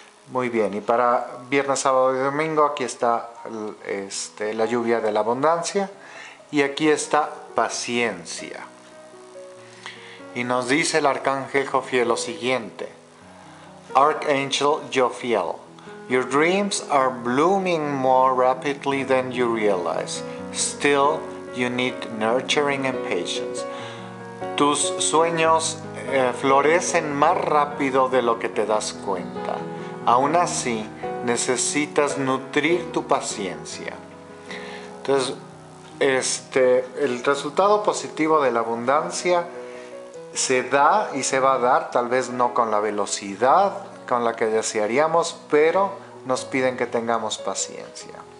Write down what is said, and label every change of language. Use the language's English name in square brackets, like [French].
[Spanish] Muy bien, y para viernes, sábado y domingo, aquí está la lluvia de la abundancia y aquí está paciencia. Y nos dice el arcángel Jofiel lo siguiente. Archangel Jofiel, [English] Your dreams are blooming more rapidly than you realize. Still, you need nurturing and patience. [Spanish] Tus sueños florecen más rápido de lo que te das cuenta. Aún así, necesitas nutrir tu paciencia. Entonces, el resultado positivo de la abundancia se da y se va a dar, tal vez no con la velocidad con la que desearíamos, pero nos piden que tengamos paciencia.